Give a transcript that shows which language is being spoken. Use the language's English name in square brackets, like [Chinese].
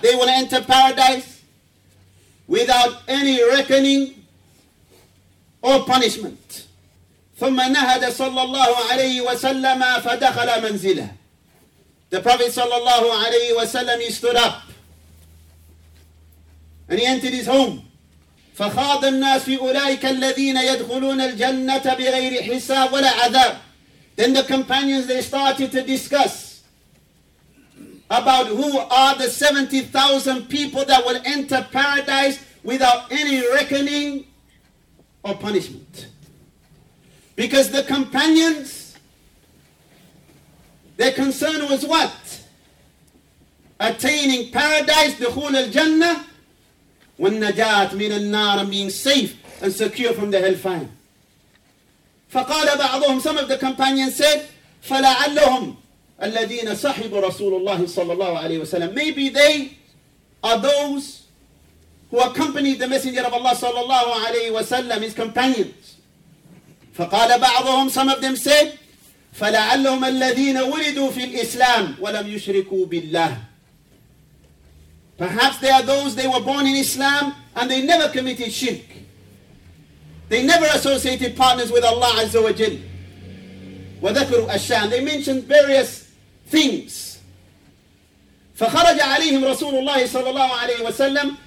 [English] They will enter paradise without any reckoning or punishment. [Arabic] ثم نهد صلى الله عليه وسلم فدخل منزله. [English] The Prophet [Arabic] صلى الله عليه وسلم, [English] he stood up and he entered his home. [Arabic] فخاض الناس في أولئك الذين يدخلون الجنة بغير حساب ولا عذاب. [English] Then the companions, they started to discuss about who are the 70,000 people that will enter paradise without any reckoning or punishment. Because the companions, their concern was what? Attaining paradise, [Arabic] دخول الجنة, والنجاة من النار, [English] and being safe and secure from the hellfire. [Arabic] فقال بعضهم, [English] some of the companions said, [Arabic] فلعلهم الذين صحبوا رسول الله صلى الله عليه وسلم. [English] Maybe they are those who accompanied the Messenger of Allah sallallahu alayhi wa sallam, his companions. [Arabic] فَقَالَ بَعْضُهُمْ, [English] some of them said, [Arabic] فَلَعَلَّهُمَ الَّذِينَ وُلِدُوا فِي الْإِسْلَامِ وَلَمْ يُشْرِكُوا بِاللَّهِ. [English] Perhaps they are those, they were born in Islam and they never committed shirk. They never associated partners with Allah azza wa jal. [Arabic] وَذَكَرُوا أَشْيَاءَ. [English] They mentioned various things. [Arabic] فَخَرَجَ عَلَيْهِمْ رَسُولُ اللَّهِ صَلَّى اللَّهُ عَلَيْهِ وَسَلَّمْ.